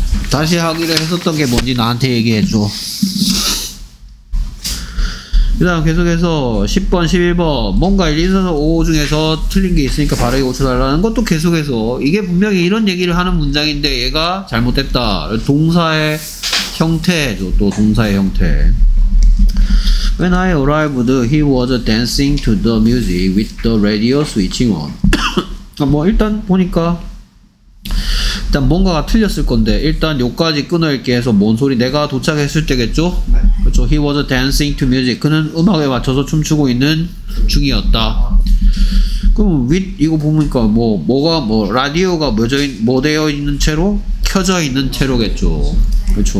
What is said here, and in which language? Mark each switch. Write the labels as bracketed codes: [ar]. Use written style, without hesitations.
[ko] 다시 하기를 했었던 게 뭔지 나한테 얘기해줘. 그 다음 계속해서 10번, 11번 뭔가 1, 2, 3, 4, 5 중에서 틀린 게 있으니까 바르게 고쳐달라는 것도 계속해서 이게 분명히 이런 얘기를 하는 문장인데 얘가 잘못됐다. 동사의 형태죠. 또 동사의 형태. [en] When I arrived, he was dancing to the music with the radio switching on. [ko] 뭐 일단 보니까 일단 뭔가가 틀렸을 건데 일단 요까지 끊어읽게 해서 뭔 소리 내가 도착했을 때겠죠? 그렇죠. [en] He was dancing to music. [ko] 그는 음악에 맞춰서 춤추고 있는 중이었다. 그럼 with 이거 보니까 뭐 뭐가 뭐 라디오가 뭐 되어 있는 채로 켜져 있는 채로겠죠. 그렇죠.